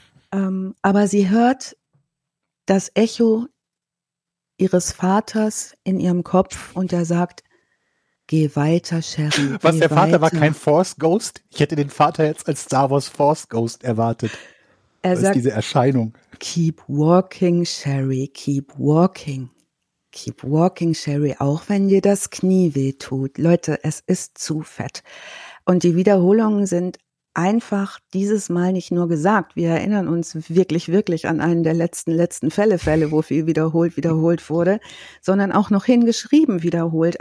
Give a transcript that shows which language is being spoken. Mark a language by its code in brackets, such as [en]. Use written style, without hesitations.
[de] Aber sie hört das Echo ihres Vaters in ihrem Kopf und er sagt, geh weiter, Sherri. Was, der Vater war kein Force Ghost? Ich hätte den Vater jetzt als Star Wars Force Ghost erwartet. Er sagt, diese Erscheinung. [en] Keep walking, Sherri, keep walking. Keep walking, [de] Sherri, auch wenn dir das Knie wehtut. Leute, es ist zu fett. Und die Wiederholungen sind einfach dieses Mal nicht nur gesagt. Wir erinnern uns wirklich, wirklich an einen der letzten Fälle, wo viel wiederholt wurde, sondern auch noch hingeschrieben wiederholt.